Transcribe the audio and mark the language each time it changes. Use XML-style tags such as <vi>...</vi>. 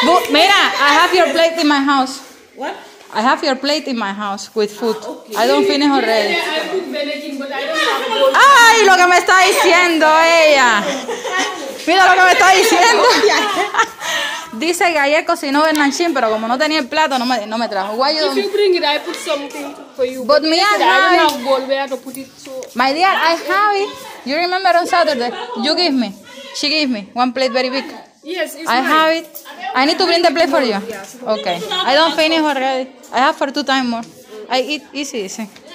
<es>Mira,</es> <en>I have your plate in my house. What? I have your plate in my house with food. Okay. I don't finish already.</en> <es>Ay, lo que me está diciendo ella. Mira lo que me está diciendo. Dice que ayer cocinó Bernanchín, pero como no tenía el plato, no me trajo.</es> <en>Why you don't... If you bring it, I put something for you. But me, I have it. I don't have bolvera to put it so... My dear, I have it. You remember on Saturday? You give me. She gave me one plate very big. Yes, it's I mine. Have it. I need to bring the plate for you. Okay. I don't finish already. I have for 2 times more. I eat easy, easy.</en>